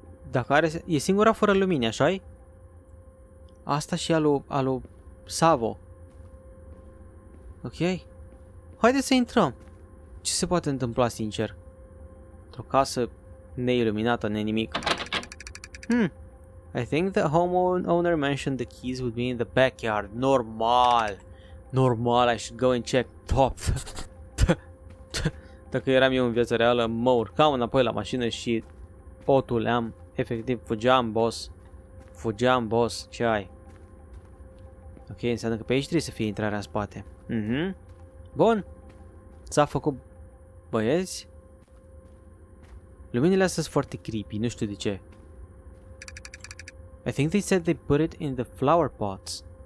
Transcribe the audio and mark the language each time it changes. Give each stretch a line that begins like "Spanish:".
Romanian: Dacă are... e singura fără lumini, așa-i? Asta și alu Savo. Ok. Haideți să intrăm. Ce se poate întâmpla, sincer? Într-o casă neiluminată, nenimic.
English: I think the homeowner mentioned the keys would be in the backyard. Normal. Normal, I should go and check top.
Romanian: Dacă eram eu în viața reală, mă urcam înapoi la mașină și o tuleam, efectiv, fugeam, boss. Fugeam, boss, ce ai? Ok, înseamnă că pe aici trebuie să fie intrarea în spate. Bun. S-a făcut, băieți? Luminile astea sunt foarte creepy, nu știu de ce.
English: I think they said they put it in the flower pots.